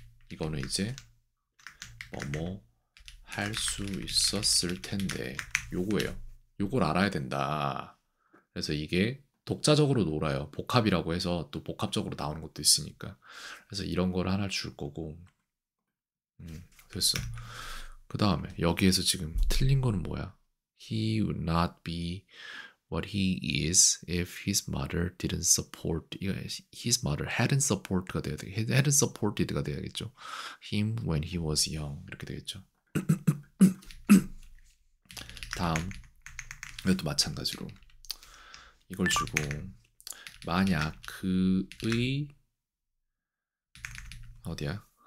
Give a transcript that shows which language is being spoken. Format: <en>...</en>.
<ko>이거는 이제 뭐뭐 할 수 있었을 텐데 요거예요. 요걸 알아야 된다. 그래서 이게 독자적으로 놀아요. 복합이라고 해서 또 복합적으로 나오는 것도 있으니까. 그래서 이런 걸 하나 줄 거고 됐어. 그 다음에 여기에서 지금 틀린 거는 뭐야?</ko> <en>He would not be what he is if his mother didn't support his mother hadn't supported</en> <ko>가 돼야 돼.</ko> <en>hadn't supported</en> <ko>가 돼야겠죠.</ko> <en>him when he was young</en> <ko>이렇게 되겠죠. 다음 이것도 마찬가지로 이걸 주고 만약 그의 어디야?</ko>